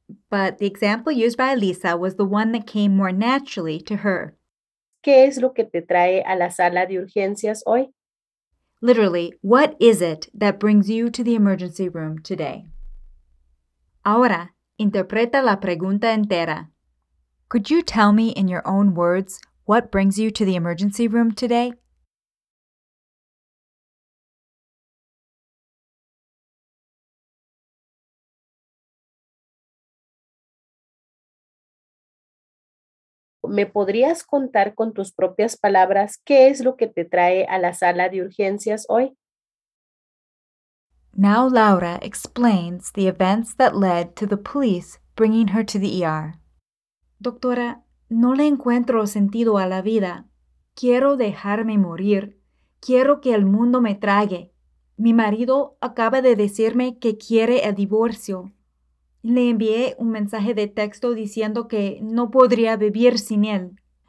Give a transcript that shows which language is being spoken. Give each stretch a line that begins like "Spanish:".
English: But the example used by Lisa was the one that came more naturally to her.
Spanish: ¿Qué es lo que te trae a la sala de urgencias hoy?
English: Literally, what is it that brings you to the emergency room today?
Spanish: Ahora, interpreta la pregunta entera.
English: Could you tell me in your own words what brings you to the emergency room today?
Spanish: ¿Me podrías contar con tus propias palabras qué es lo que te trae a la sala de urgencias hoy?
English: Now Laura explains the events that led to the police bringing her to the ER.
Spanish: Doctora, no le encuentro sentido a la vida. Quiero dejarme morir. Quiero que el mundo me trague. Mi marido acaba de decirme que quiere el divorcio. Le envié un mensaje de texto diciendo que no podría vivir sin él.